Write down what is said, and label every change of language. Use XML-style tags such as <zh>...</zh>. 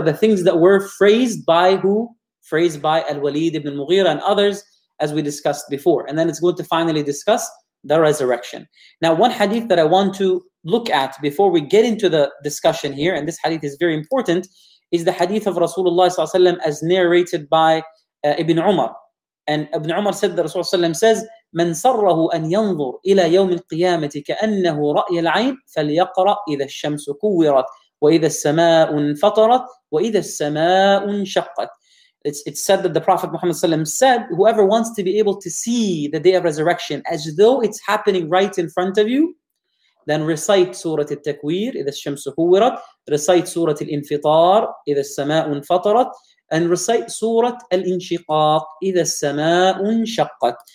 <en>The things that were phrased by who? Phrased by Al-Walid ibn Mughira and others, as we discussed before. And then it's going to finally discuss the resurrection. Now, one hadith that I want to look at before we get into the discussion here, and this hadith is very important, is the hadith of Rasulullah ﷺ as narrated by Ibn Umar. And Ibn Umar said that Rasulullah ﷺ says,</en> <ar>من سره أن ينظر إلى يوم القيامة كأنه رأي العين فليقرأ إذا الشمس كورت وإذا السماء انفطرت وإذا السماء انشقت.</ar> <en>It's said that the Prophet Muhammad Sallam said, whoever wants to be able to see the day of resurrection as though it's happening right in front of you, then recite Surah Al-Takwir,</en> <ar>إذا الشمس كورت,</ar> <en>recite Surah Al-Infitar,</en> <ar>إذا السماء انفطرت,</ar> <en>and recite Surah Al-Inshiqaq,</en> <ar>إذا السماء انشقت.</ar>